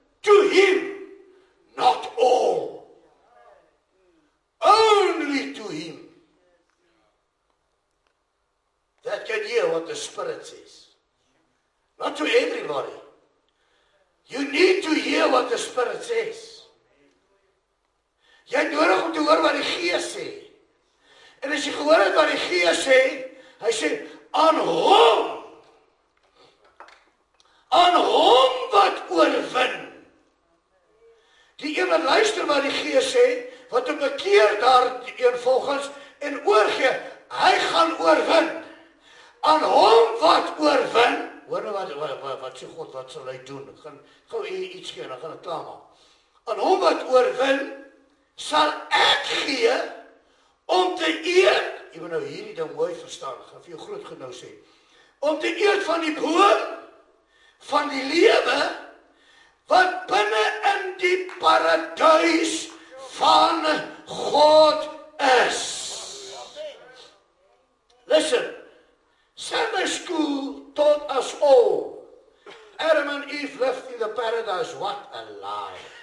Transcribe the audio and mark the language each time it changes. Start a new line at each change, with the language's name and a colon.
English: To him, not all. Only to him. That can hear what the Spirit says. Not to everybody. You need to hear what the Spirit says.
Afrikaans: Jy het nodig om te hoor wat die Gees sê. En as jy gehoor het wat die Gees sê, hy sê, aan hom wat oorwin, Die een wat luister wat die Gees sê, wat hom bekeer daar die een volgens en oorgee, hy gaan oorwin. Aan hom wat oorwin, hoor nou wat sê God, wat sal hy doen? Gaan gou hier iets gee, dan gaan ek klaar maak. Aan hom wat oorwin, sal ek gee om te eet, jy moet nou hierdie ding mooi verstaan, gaan vir jou groot genou sê, om te eet van die boom, van die lewe, wat binne in die paradijs van God is.
English: Listen, Sunday school taught us all, Adam and Eve lived in the paradise, what a lie.